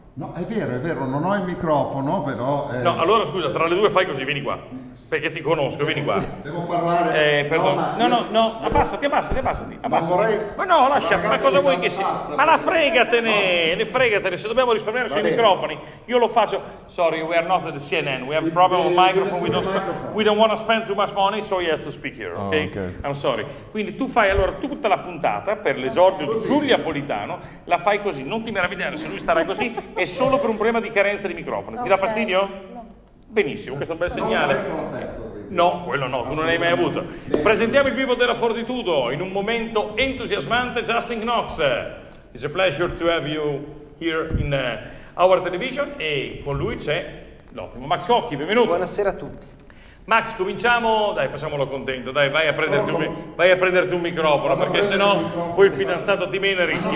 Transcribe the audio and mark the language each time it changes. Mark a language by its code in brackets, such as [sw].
[it] No, è vero, non ho il microfono, però... No, allora scusa, tra le due fai così, vieni qua, perché ti conosco, vieni qua. Devo parlare... No, abbassati. Non vorrei... Ma no, lascia, ma cosa vuoi che sia? Ma la fregatene, se dobbiamo risparmiare sui microfoni, io lo faccio... [en] Sorry, we are not at the CNN, we have a problem with microphone, we don't want to spend too much money, so he has to speak here, okay? I'm sorry. [it] Quindi tu fai allora tutta la puntata per l'esordio di Giulia Politano, la fai così, non ti meravigliare se lui starà così... È solo per un problema di carenza di microfono. Okay. Ti dà fastidio? No. Benissimo, questo è un bel segnale. No, non aperto, no, quello no, tu non l'hai mai avuto. Bene. Presentiamo il vivo della Fortitudo in un momento entusiasmante, Justin Knox. [en] It's a pleasure to have you here in our television. [it] E con lui c'è l'ottimo Max Cocchi, benvenuto. Buonasera a tutti. Max, cominciamo, dai, facciamolo contento, dai, vai a prenderti un microfono, no, perché sennò poi il fidanzato ti meno e rischi.